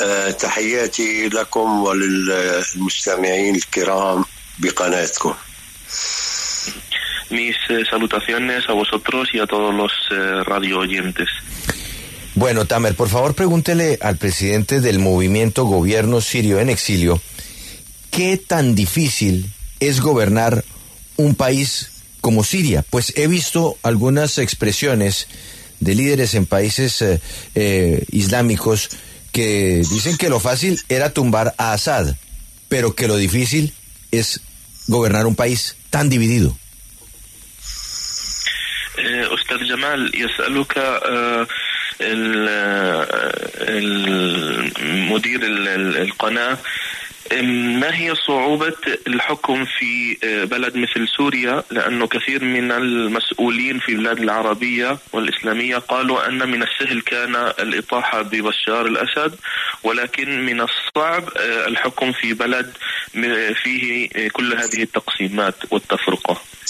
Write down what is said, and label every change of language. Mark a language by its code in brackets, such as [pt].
[ar] تحياتي لكم وللمستمعين الكرام بقناتكم [es] mis salutaciones a vosotros y a todos los radio oyentes. Bueno, Tamer, por favor pregúntele al presidente del movimiento Gobierno Sirio en Exilio, ¿qué tan difícil es gobernar un país como Siria? Pues he visto algunas expresiones de líderes en países islámicos que dicen que lo fácil era tumbar a Assad, pero que lo difícil es gobernar un país tan dividido. [ar] Ustad Jamal, يسألك المدير القناة ما هي صعوبة الحكم في بلد مثل سوريا؟ لأنه كثير من المسؤولين في البلاد العربية والإسلامية قالوا أن من السهل كان الإطاحة ببشار الأسد، ولكن من الصعب الحكم في بلد فيه كل هذه التقسيمات والتفرقة.